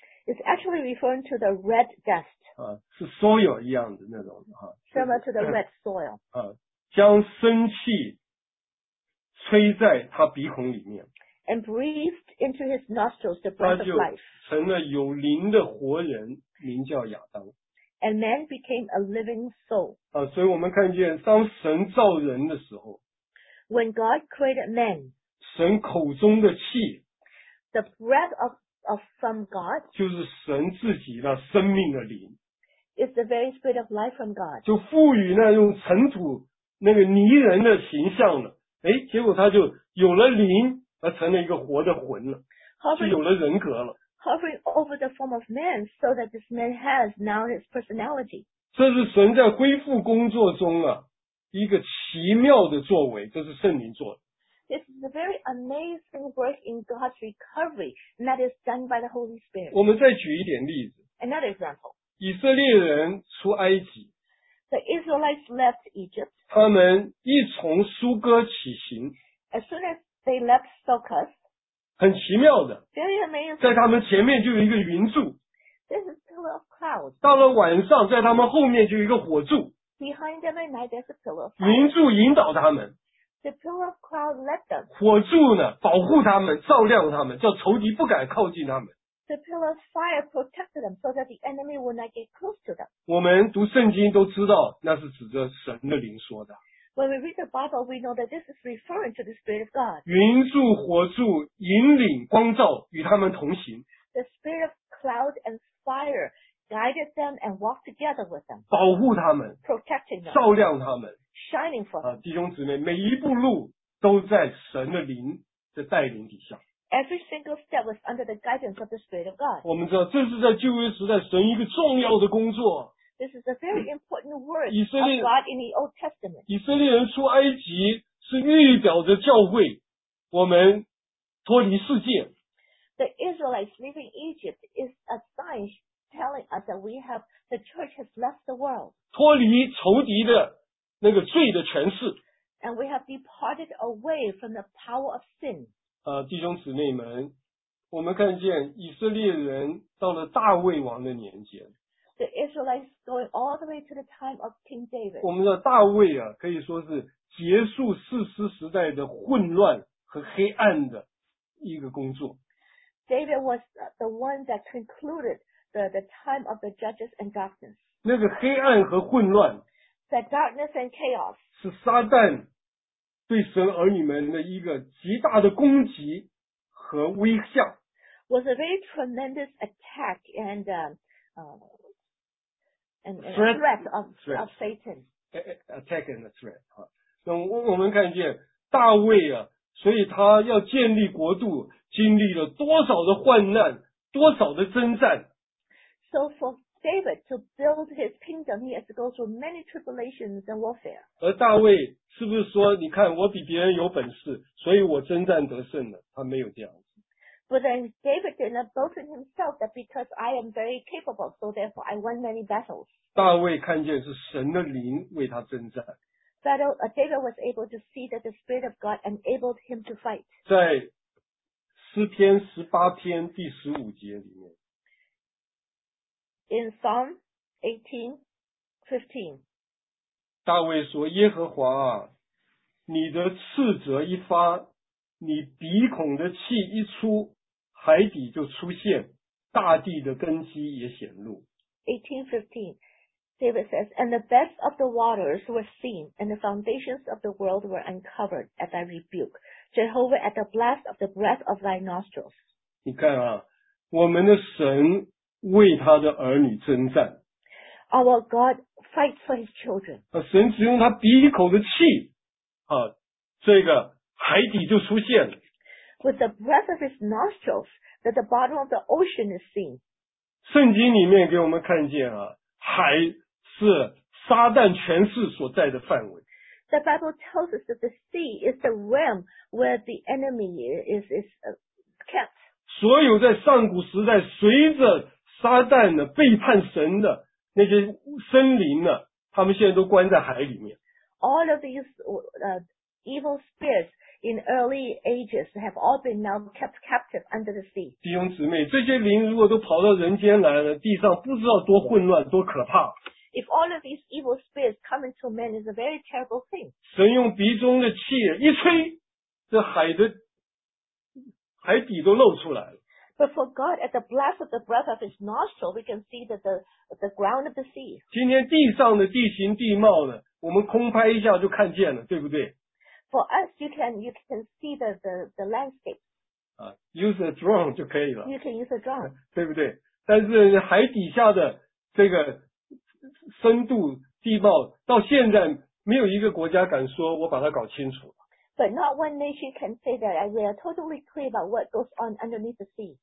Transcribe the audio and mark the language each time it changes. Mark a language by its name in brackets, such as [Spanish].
[English] It's actually referring to the red dust. [Chinese] 啊，是 soil 一样的那种啊。 [English] Similar to the red soil. [Chinese] 啊，将生气吹在他鼻孔里面。 [English] And breathed into his nostrils the breath of life. [Chinese] 他就成了有灵的活人，名叫亚当。 [English] And man became a living soul. [Chinese] 啊，所以我们看见，当神造人的时候。 [English] When God created man, [Chinese] 神口中的气 [English] the breath of from God, [Chinese] 就是神自己的生命的灵 [English] is the very spirit of life from God. [Chinese] 就赋予那用尘土那个泥人的形象了，哎，结果他就有了灵，而成了一个活的魂了，就有了人格了。 [English] Hovering over the form of man, so that this man has now his personality. [Chinese] 这是神在恢复工作中啊。一个奇妙的作为，这是圣灵做的。 [English] This is a very amazing work in God's recovery, and that is done by the Holy Spirit. [Chinese] 我们再举一点例子。 [English] Another example. [Chinese] 以色列人出埃及。 [English] The Israelites left Egypt. [Chinese] 他们一从苏哥起行。 [English] As soon as they left Succoth. [Chinese] 很奇妙的。 [English] Very amazing. [Chinese] 在他们前面就有一个云柱。 [English] This is a pillar of clouds. [Chinese] 到了晚上，在他们后面就有一个火柱。 [English] Behind them at night, there's a pillar. [Chinese] 云柱引导他们。 [English] The pillar of cloud led them. [Chinese] 火柱呢，保护他们，照亮他们，叫仇敌不敢靠近他们。 [English] The pillar of fire protected them, so that the enemy would not get close to them. [Chinese] 我们读圣经都知道，那是指着神的灵说的。 [English] When we read the Bible, we know that this is referring to the Spirit of God. [Chinese] 云柱、火柱引领光照，与他们同行。 [English] The Spirit of cloud and fire. Guided them and walked together with them. [Chinese] 保护他们 [English] Protecting them. [Chinese] 照亮他们 [English] Shining for them. [Chinese] 弟兄姊妹，每一步路都在神的灵的带领底下。 [English] Every single step was under the guidance of the Spirit of God. [Chinese] 我们知道，这是在旧约时代神一个重要的工作。 [English] This is a very important word of God in the Old Testament. [Chinese] 以色列人出埃及是预表着教会，我们脱离世界。 [English] The Israelites leaving Egypt is a sign. Telling us that we have the church has left the world. [Chinese] 脱离仇敌的那个罪的权势。 [English] And we have departed away from the power of sin. [Chinese] 弟兄姊妹们，我们看见以色列人到了大卫王的年间。 [English] The Israelites going all the way to the time of King David. [Chinese] 我们的大卫啊，可以说是结束士师时代的混乱和黑暗的一个工作。 [English] David was the one that concluded. The time of the judges and darkness. [Chinese] 那个黑暗和混乱。 [English] The darkness and chaos. [Chinese] 是撒旦对神儿女们的一个极大的攻击和威吓。 [English] Was a very tremendous attack and and threat of Satan. Attack and threat. [Chinese] 那我们看见大卫啊，所以他要建立国度，经历了多少的患难，多少的征战。 [English] So for David to build his kingdom, he has to go through many tribulations and warfare. [Chinese] 而大卫是不是说，你看我比别人有本事，所以我征战得胜了？他没有这样子。 [English] But then David did not boast in himself that because I am very capable, so therefore I won many battles. [Chinese] 大卫看见是神的灵为他征战。 [English] But David was able to see that the Spirit of God enabled him to fight. [Chinese] 在诗篇十八篇第十五节里面。 [English] In Psalm 18:15, [Chinese] 大卫说：“耶和华啊，你的斥责一发，你鼻孔的气一出，海底就出现，大地的根基也显露。” [English] 18:15, David says, "And the depths of the waters were seen, and the foundations of the world were uncovered at thy rebuke, Jehovah, at the blast of the breath of thy nostrils." [Chinese] 你看啊，我们的神。为他的儿女征战。 [English] Our God fights for his children. [Chinese] 神只用他鼻口的气、啊、这个海底就出现了。 [English] With the breath of his nostrils, that the bottom of the ocean is seen. [Chinese] 圣经里面给我们看见啊，海是撒旦权势所在的范围。 [English] The Bible tells us that the sea is the realm where the enemy is kept. [Chinese] 所有在上古时代随着撒旦的背叛神的那些生灵呢，他们现在都关在海里面。 [English] All of these evil spirits in early ages have all been now kept captive under the sea. [Chinese] 弟兄姊妹，这些灵如果都跑到人间来了，地上不知道多混乱，多可怕。 [English] If all of these evil spirits come into men, it's a very terrible thing. [Chinese] 神用鼻中的气一吹，这海的海底都露出来了。 [English] But for God, at the blast of the breath of His nostril, we can see that the ground of the sea. [Chinese] 今天地上的地形地貌呢，我们空拍一下就看见了，对不对？ [English] For us, you can see the landscape. [Chinese] 啊 ， [English] use a drone [Chinese] 就可以了。 [English] You can use a drone. [Chinese] 对不对？但是海底下的这个深度地貌，到现在没有一个国家敢说我把它搞清楚。 [English] But not one nation can say that we are totally clear about what goes on underneath the sea.